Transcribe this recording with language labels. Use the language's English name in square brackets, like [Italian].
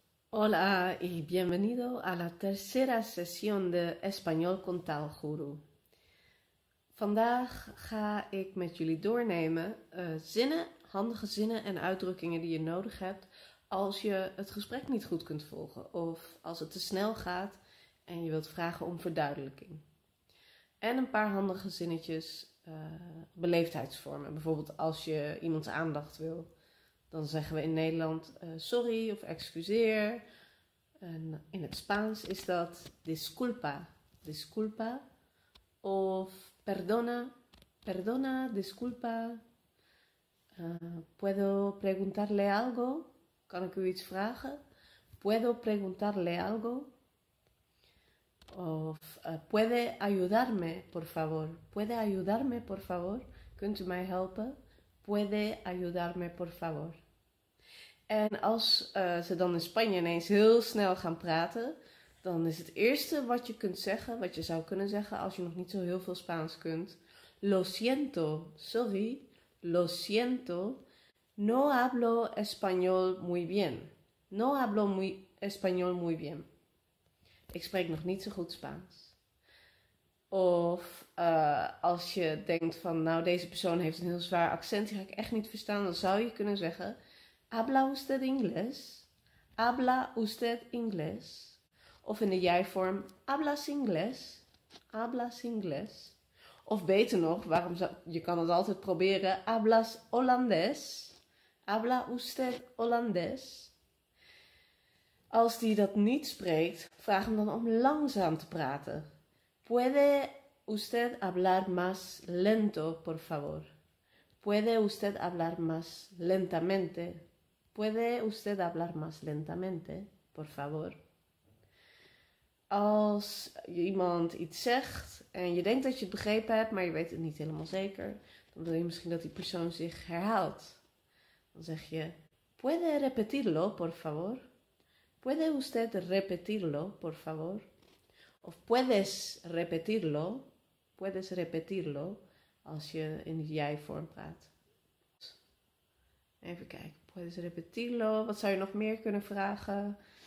[Spanish] Hola y bienvenido a la tercera sesión de Español con Taalguru. [Dutch] Vandaag ga ik met jullie doornemen zinnen, handige zinnen en uitdrukkingen die je nodig hebt als je het gesprek niet goed kunt volgen of als het te snel gaat en je wilt vragen om verduidelijking. En een paar handige zinnetjes, beleefdheidsvormen, bijvoorbeeld als je iemands aandacht wil. Dan zeggen we in Nederland sorry of excuseer. En in het Spaans is dat [Spanish] disculpa, disculpa. Of perdona, perdona, disculpa. Puedo preguntarle algo? [Dutch] Kan ik u iets vragen? [Spanish] Puedo preguntarle algo? Of puede ayudarme, por favor? Puede ayudarme, por favor? [Dutch] Kunt u mij helpen? [Spanish] Puede ayudarme, por favor? [Dutch] En als ze dan in Spanje ineens heel snel gaan praten, dan is het eerste wat je kunt zeggen, wat je zou kunnen zeggen als je nog niet zo heel veel Spaans kunt. [Spanish] Lo siento, sorry, lo siento, no hablo español muy bien. No hablo muy español muy bien. [Dutch] Ik spreek nog niet zo goed Spaans. Of als je denkt van, nou, deze persoon heeft een heel zwaar accent, die ga ik echt niet verstaan, dan zou je kunnen zeggen. [Spanish] Habla usted inglés? Habla usted inglés? [Dutch] Of in de jij-vorm, [Spanish] hablas inglés? Hablas inglés? [Dutch] Of beter nog, waarom zou, je kan het altijd proberen, [Spanish] hablas holandés? Habla usted holandés? [Dutch] Als die dat niet spreekt, vraag hem dan om langzaam te praten. [Spanish] ¿Puede usted hablar más lento, por favor? ¿Puede usted hablar más lentamente? ¿Puede usted hablar más lentamente, por favor? [Dutch] Als iemand iets zegt en je denkt dat je het begrepen hebt, maar je weet het niet helemaal zeker, dan wil je misschien dat die persoon zich herhaalt. Dan zeg je: [Spanish] ¿Puede repetirlo, por favor? ¿Puede usted repetirlo, por favor? [Dutch] Of [Spanish] puedes repetirlo, [Dutch] als je in de jij-vorm praat. Even kijken. [Spanish] Puedes repetirlo. [Dutch] Wat zou je nog meer kunnen vragen?